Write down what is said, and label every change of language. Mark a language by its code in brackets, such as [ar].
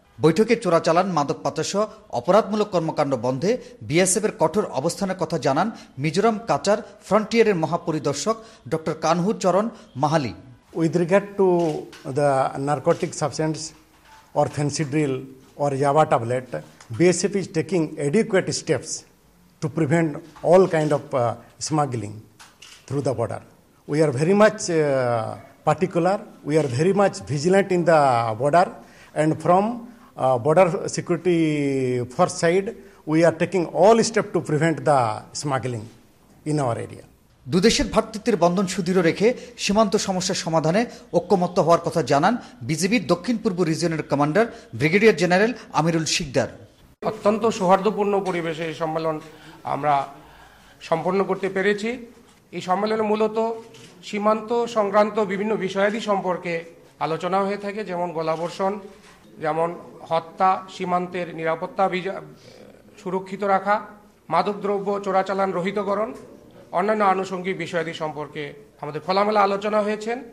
[bn] বৈঠকে চোরাচালান, মাদক পাচার সহ অপরাধমূলক কর্মকাণ্ড বন্ধে বিএসএফ এর কঠোর অবস্থানের কথা জানান মিজোরাম কাচার ফ্রন্টিয়ারের মহাপরিদর্শক ডক্টর কানহু চরণ Mahali. [en] With regard to the narcotic substance or Phensedyl or yaba tablet, BSF is taking adequate steps to prevent all kind of smuggling through the border. We are very much particular, we are very much vigilant in the border, and from border security force side, we are taking all steps to prevent the smuggling in our area. [bn] দুদেশের ভ্রাতৃত্বের বন্ধন সুদৃঢ় রেখে সীমান্ত সমস্যা সমাধানে ঐক্যমত্য হওয়ার কথা জানান বিজিবির দক্ষিণ পূর্ব রিজিয়নের কমান্ডার ব্রিগেডিয়ার জেনারেল আমিরুল শিকদার। অত্যন্ত সৌহার্দ্যপূর্ণ পরিবেশে এই সম্মেলন আমরা সম্পন্ন করতে পেরেছি। এই সম্মেলনে মূলত সীমান্ত সংক্রান্ত বিভিন্ন বিষয়াদি সম্পর্কে আলোচনা হয়ে থাকে, যেমন গোলাবর্ষণ, যেমন হত্যা, সীমান্তের নিরাপত্তা সুরক্ষিত রাখা, মাদকদ্রব্য চোরাচালান রহিতকরণ, অন্যান্য আনুষঙ্গিক বিষয়াদি সম্পর্কে আমাদের খোলামেলা আলোচনা হয়েছে।